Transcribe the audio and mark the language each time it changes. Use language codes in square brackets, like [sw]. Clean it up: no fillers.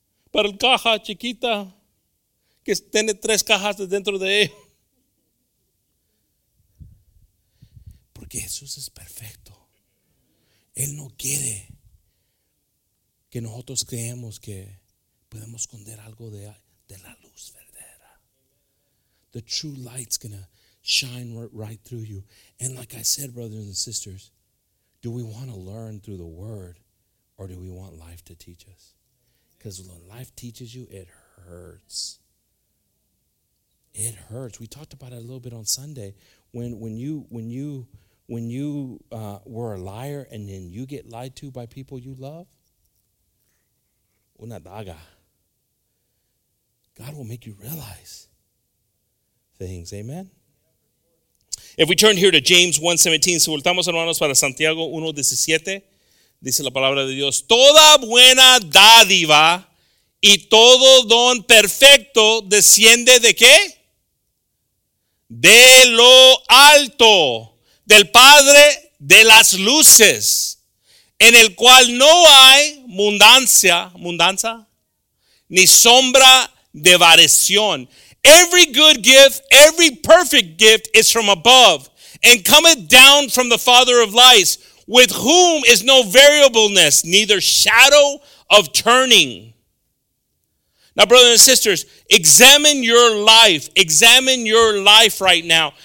[es] Para el caja chiquita. Que tiene tres cajas dentro de él. Porque Jesús es perfecto. Él no quiere que nosotros creamos que podemos esconder algo de la luz verdadera. [en] The true light's gonna shine right through you. And like I said, brothers and sisters, do we want to learn through the word or do we want life to teach us? Because when life teaches you, it hurts. It hurts. We talked about it a little bit on Sunday. When you were a liar and then you get lied to by people you love, [es] una daga. [en] God will make you realize things. Amen. If we turn here to James 1:17, [es] si voltamos hermanos para Santiago 1:17, dice la palabra de Dios, toda buena dádiva y todo don perfecto desciende de qué? De lo alto, del Padre de las luces, en el cual no hay mudanza, ni sombra de variación. [en] Every good gift, every perfect gift is from above and cometh down from the Father of lights, with whom is no variableness, neither shadow of turning. Now, brothers and sisters, examine your life right now.